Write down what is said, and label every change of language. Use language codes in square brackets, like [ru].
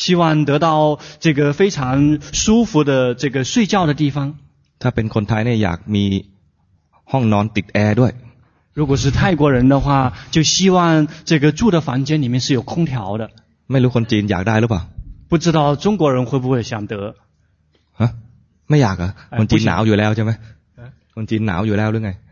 [zh] 希望得到这个非常舒服的这个睡觉的地方 [th] ถ้าเป็นคนไทยเนี่ยอยากมีห้องนอนติดแอร์ด้วย [zh] 如果是泰国人的话就希望这个住的房间里面是有空调的 [th] ไม่รู้คนจีนอยากได้หรือเปล่า [zh] 不知道中国人会不会想得 [th] ฮะไม่อยากอ่ะคนจีนหนาวอยู่แล้วใช่ไหมคนจีนหนาวอยู่แล้วหรือไง